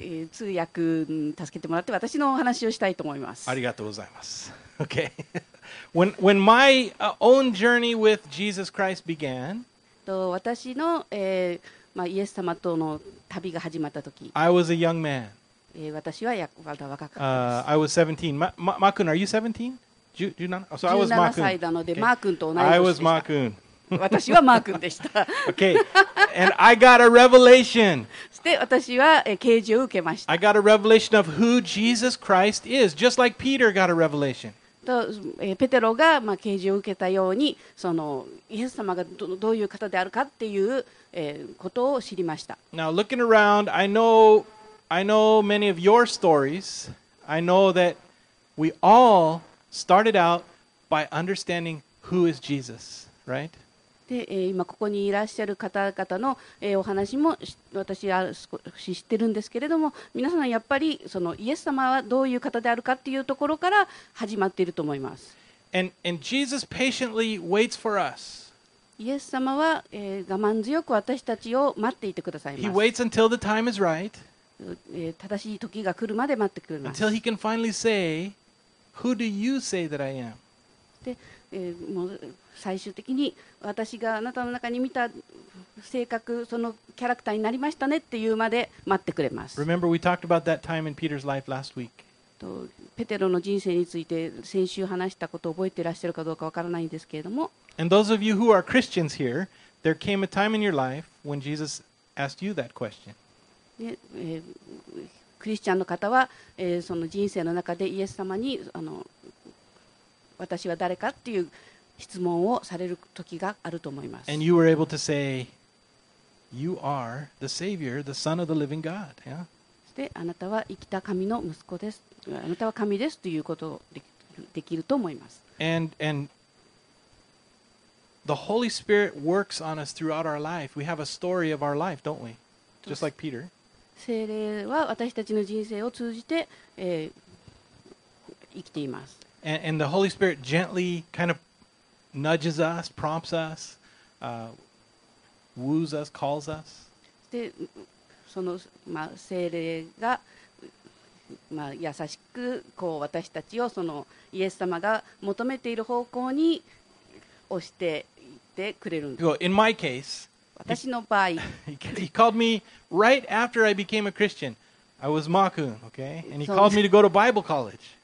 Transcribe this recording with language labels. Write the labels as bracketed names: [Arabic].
[Japanese] 通訳助けてもらって私のお話をしたいと思います。ありがとうございます。 [English] Okay. When my own journey with Jesus Christ began, [Japanese] 私の、まあ、イエス様との旅が始まったとき、 [English] I was a young man. [Japanese] 私はまだ若かった。 [English] I was 17. Mark-kun, are you 17? 17? So I was Mark-kun. [Japanese] 17歳なので、Mark-kun と同じ年でした。 [English] I was Mark-kun. [Japanese] 私はマー君でした。 [English] Okay. And I got a revelation. [Japanese] そして私は啓示を受けました。 [English] I got a revelation of who Jesus Christ is, just like Peter got a revelation. [Japanese] と、ペテロが、まあ、啓示を受けたように、そのイエス様が どういう方であるかっていう、ことを知りました。 [English] Now looking around, I know many of your stories. I know that we all started out by understanding who is Jesus, right? [Japanese] で今ここにいらっしゃる方々のお話も私は少し知ってるんですけれども、皆さんはやっぱりそのイエス様はどういう方であるかっていうところから始まっていると思います。 [English] And Jesus patiently waits for us. [Japanese] イエス様は我慢強く私たちを待っていてくださいます。 [English] He waits until the time is right. [Japanese] 正しい時が来るまで待ってくれます。 [English] Until he can finally say, "Who do you say that I am?" [Japanese] で。もう最終的に私があなたの中に見た性格そのキャラクターになりましたねっていうまで待ってくれます。 [English] Remember, we talked about that time in Peter's life last week. [Japanese] とペテロの人生について先週話したことを覚えていらっしゃるかどうかわからないんですけれども。 [English] And those of you who are Christians here, there came a time in your life when Jesus asked you that question. [Japanese] で、クリスチャンの方は、その人生の中でイエス様に私は誰かっていう質問をされる時があると思います。 [English] And you were able to say, you are the Savior, the Son of the Living God. Yeah? [Japanese] そしてあなたは生きた神の息子です。あなたは神ですということをできると思います。 [English] And The Holy Spirit works on us throughout our life. We have a story of our life, don't we? Just like Peter. [Japanese] 聖霊は私たちの人生を通じて、生きています。 [English] And the Holy Spirit gently kind of nudges us, prompts us, woos us, calls us. [Japanese] で、その、まあ、聖霊が、まあ、優しくこう私たちをそのイエス様が求めている方向に押していってくれるんです。 [English] In my case, [Japanese] 私の場合、 [English] He called me right after I became a Christian. I was Makun, okay? And he called me to go to Bible college.